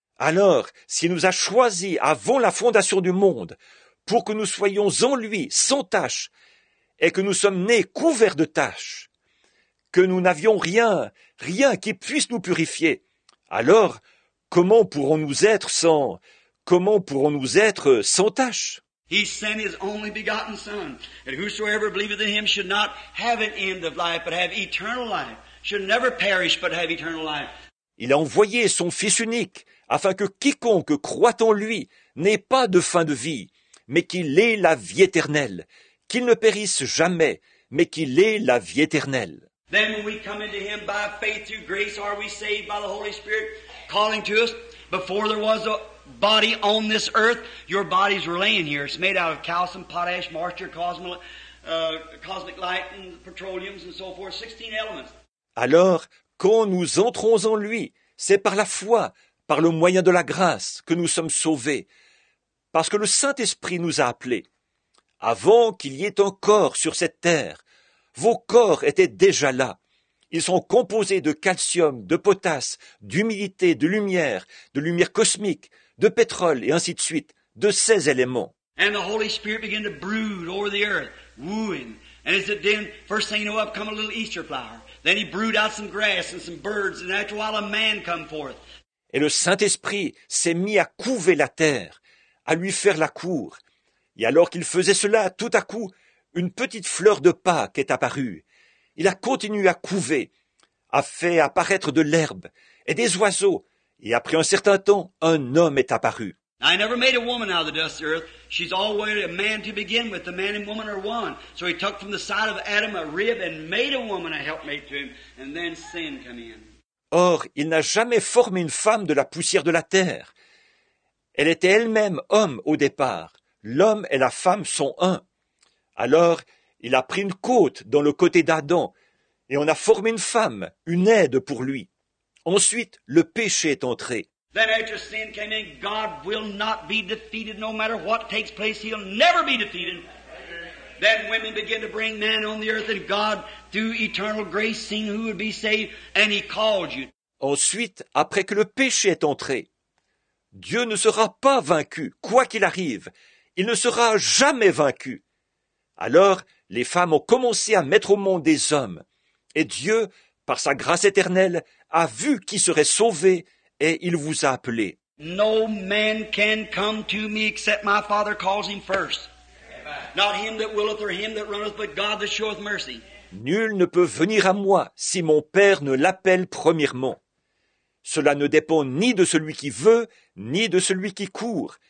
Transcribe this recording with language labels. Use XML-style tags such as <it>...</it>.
<fr>Alors, s'il nous a choisis avant la fondation du monde, pour que nous soyons en lui sans tache, et que nous sommes nés couverts de taches, que nous n'avions rien qui puisse nous purifier, alors comment pourrons-nous être sans tache?</fr> <en>He sent his only begotten Son, and whosoever believeth in him should not have an end of life, but have eternal life, should never perish, but have eternal life.</en> <fr>Il a envoyé son Fils unique, afin que quiconque croit en lui n'ait pas de fin de vie, mais qu'il ait la vie éternelle. Qu'il ne périsse jamais, mais qu'il ait la vie éternelle.</fr> <en>Then when we come into him by faith through grace, are we saved by the Holy Spirit calling to us? Before there was a body on this earth, your bodies were laying here. It's made out of calcium, potash, moisture, cosmic light, and petroleums, and so forth. 16 elements.</en> <fr>Alors, quand nous entrons en lui, c'est par la foi, par le moyen de la grâce, que nous sommes sauvés. Parce que le Saint-Esprit nous a appelés. Avant qu'il y ait un corps sur cette terre, vos corps étaient déjà là. Ils sont composés de calcium, de potasse, d'humidité, de lumière cosmique, de pétrole, et ainsi de suite, de 16 éléments.</fr> <en>And the Holy Spirit began to brood over the earth, wooing. And as it did, first thing you know, up come a little Easter flower. Then he brewed out some grass and some birds, and after a while a man come forth.</en> <fr>Et le Saint-Esprit s'est mis à couver la terre, à lui faire la cour. Et alors qu'il faisait cela, tout à coup, une petite fleur de Pâques est apparue. Il a continué à couver, a fait apparaître de l'herbe et des oiseaux. Et après un certain temps, un homme est apparu.</fr> <en>I never made a woman out of the dust of the earth. She's always a man to begin with. The man and woman are one. So he took from the side of Adam a rib and made a woman a helpmate to him. And then sin came in.</en> <fr>Or, il n'a jamais formé une femme de la poussière de la terre. Elle était elle-même homme au départ. L'homme et la femme sont un. Alors, il a pris une côte dans le côté d'Adam, et on a formé une femme, une aide pour lui. Ensuite, le péché est entré.</fr> <en>Then after sin came in, God will not be defeated no matter what takes place. He'll never be defeated. Then women began to bring man on the earth, and God, through eternal grace, seeing who would be saved, and he called you.</en> <fr>Ensuite, après que le péché est entré, Dieu ne sera pas vaincu, quoi qu'il arrive. Il ne sera jamais vaincu. Alors, les femmes ont commencé à mettre au monde des hommes. Et Dieu, par sa grâce éternelle, a vu qui serait sauvé et il vous a appelé.</fr> <en>No man can come to me except my Father calls him first. Not him that willeth or him that runneth, but God that showeth mercy.</en> <fr>Nul ne peut venir à moi si mon Père ne l'appelle premièrement. Cela ne dépend ni de celui qui veut, ni de celui qui court.</fr>